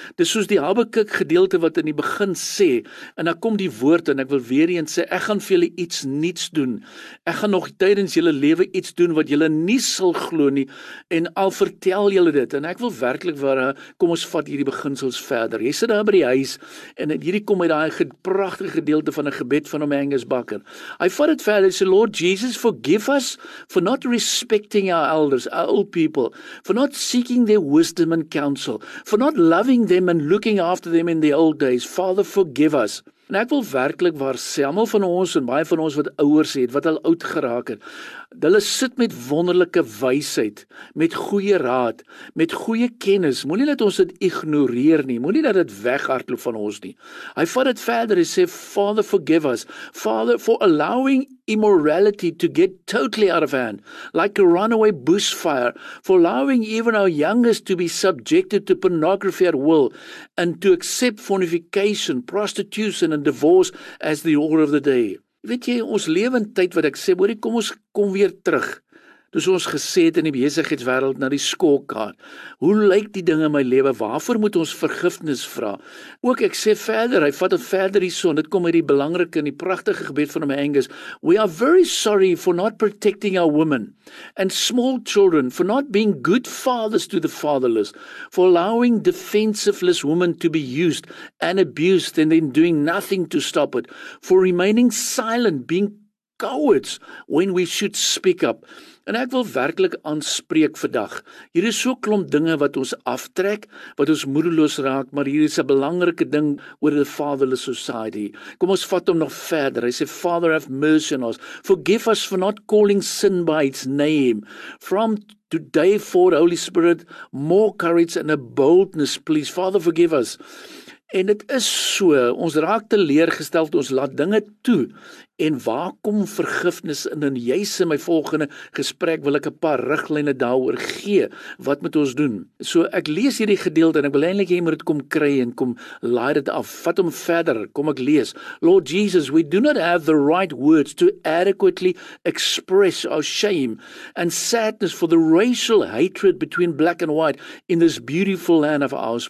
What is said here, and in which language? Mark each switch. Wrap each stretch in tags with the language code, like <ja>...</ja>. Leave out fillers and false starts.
<af>Dis soos die Habakuk gedeelte wat in die begin sê, en dan kom die woord, en ek wil weer eens sê, ek gaan vir julle iets niets doen. Ek gaan nog tydens julle lewe iets doen, wat julle nie sal glo nie, en al vertel julle dit, en ek wil werklik waar, kom ons vat hierdie beginsels verder. Jy sit daar by die huis, en hierdie kom uit die prachtige gedeelte van 'n gebed van om Angus Bakken. Hy vat het verder, hy sê,</af> <en>Lord Jesus, forgive us for not respecting our elders, our old people, for not seeking their wisdom and counsel, for not loving them and looking after them in the old days. Father, forgive us.</en> <af>En ek wil werklik waar sê, almal van ons en baie van ons wat ouers het, wat al oud geraak het, hulle sit met wonderlike wysheid, met goeie raad, met goeie kennis. Moenie dat ons dit ignoreer nie, moenie dat dit weghardloop van ons nie. Hy vat het verder, hy sê,</af> <en>Father, forgive us. Father, for allowing immorality to get totally out of hand, like a runaway bushfire, for allowing even our youngest to be subjected to pornography at will, and to accept fornication, prostitution, and divorce as the order of the day.</en> <af>Weet jy, ons lewe in tyd wat ek sê, hoorie, kom ons kom weer terug. Dus ons gesê het in die besigheidswêreld na die skoolkaart. Hoe lyk die ding in my lewe? Waarvoor moet ons vergifnis vra? Ook ek sê verder, hy vat het verder hierso, en dit kom uit die belangrike en die prachtige gebed van my Angus.</af> <en>We are very sorry for not protecting our women and small children, for not being good fathers to the fatherless, for allowing defensiveless women to be used and abused and then doing nothing to stop it, for remaining silent, being cowards when we should speak up.</en> <af>En ek wil werklik aanspreek vandag. Hier is so klomp dinge wat ons aftrek, wat ons moedeloos raak, maar hier is 'n belangrike ding oor</af> <en>the fatherless society.</en> <af>Kom ons vat hom nog verder. Hy sê,</af> <en>Father, have mercy on us. Forgive us for not calling sin by its name. From today forward, Holy Spirit, more courage and a boldness, please. Father, forgive us.</en> <af>En dit is so, ons raak teleurgesteld, ons laat dinge toe. En waar kom vergifnis in? En juist in my volgende gesprek wil ek 'n paar riglyne daaroor gee. Wat moet ons doen? So ek lees hierdie gedeelte en ek wil eintlik hê jy moet dit kom kry en kom laai dit af. Vat hom verder, kom ek lees.</af> <en>Lord Jesus, we do not have the right words to adequately express our shame and sadness for the racial hatred between black and white in this beautiful land of ours.</en>